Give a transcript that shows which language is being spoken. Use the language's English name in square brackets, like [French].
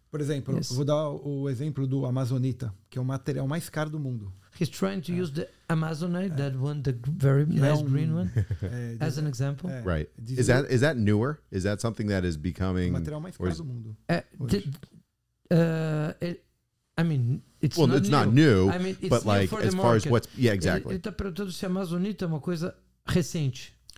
[Portuguese] Por exemplo, vou dar o exemplo do Amazonita, que é o material mais caro do mundo. [English] He's trying to use the Amazonite, that one, the very nice green one, as an example. Right. Is that newer? Is that something that is becoming... [Portuguese] material mais caro do mundo. [English] It's not new. I mean, it's like, as far as what's... yeah, exactly. [Portuguese] Ele está perguntando se Amazonite é uma coisa recente.